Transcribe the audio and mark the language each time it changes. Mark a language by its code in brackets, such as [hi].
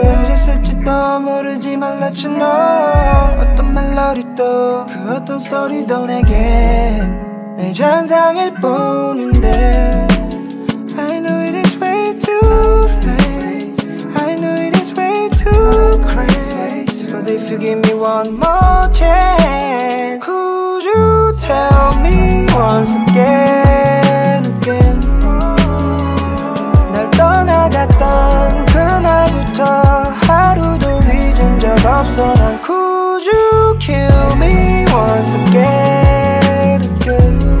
[ko] 언제 쓸지도 모르지 만 [en] let you know. [ko] 어떤 멜로디도 그 어떤 스토리도 내겐 내 잔상일 뿐인데. [en] I know it is way too late. I know it is way too crazy. But if you give me one more chance, could you tell me once again, again? [ko] 날 떠나갔던 그날부터 하루도 잊은 적 없어. 난 [en] could you kill me once again, again?